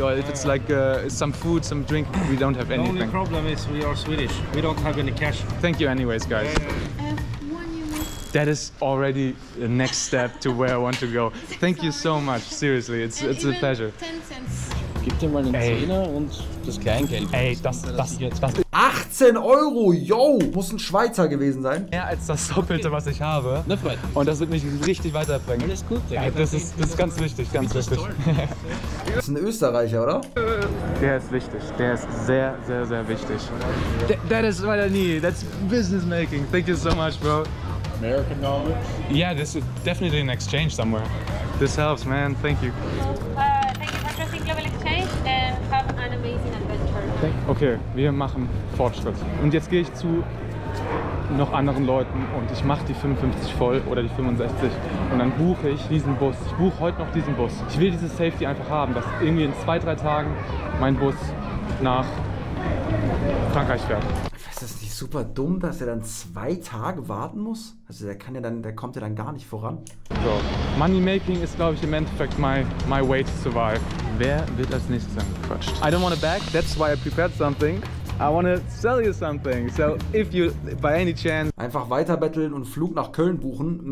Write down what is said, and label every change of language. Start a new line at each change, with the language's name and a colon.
English: Or if it's like some food, some drink, we don't have anything. The only problem is we are Swedish. We don't have any cash. Thank you anyways, guys. Yeah. That is already the next step to where I want to go. Thank you so much. Seriously, it's a pleasure.
German: 10 Cent. Gib dir mal den Zehner und das Kleingeld. Ey, das jetzt. Das. 18 Euro, yo! Muss ein Schweizer gewesen sein. Mehr als das Doppelte, okay. Was ich habe. Na, freut mich. Und das wird mich richtig weiterbringen. Alles gut, ey. Das ist ganz wichtig, ganz wichtig. Das ist ein Österreicher, oder? Der ist wichtig. Der ist sehr, sehr, sehr wichtig.
English: That is what I need. That's business making. Thank you so much, bro. American knowledge? Yeah, this is definitely an exchange somewhere. This helps, man. Thank you. Thank you for trusting Global Exchange and have an amazing adventure.
German: Okay, wir machen Fortschritt. Und jetzt gehe ich zu noch anderen Leuten und ich mache die 55 voll oder die 65 und dann buche ich diesen Bus. Ich buche heute noch diesen Bus. Ich will dieses Safety einfach haben, dass irgendwie in 2-3 Tagen mein Bus nach Frankreich fährt. Ist das nicht super dumm, dass er dann 2 Tage warten muss? Also der kann ja dann, der kommt ja dann gar nicht voran. So, Money Making ist, glaube ich, im Endeffekt
English: my way to survive.
German: Wer wird als nächstes angequatscht?
English: I don't want a bag, that's why I prepared something. I want to sell you something. So if you, by any chance...
German: Einfach weiter betteln und Flug nach Köln buchen?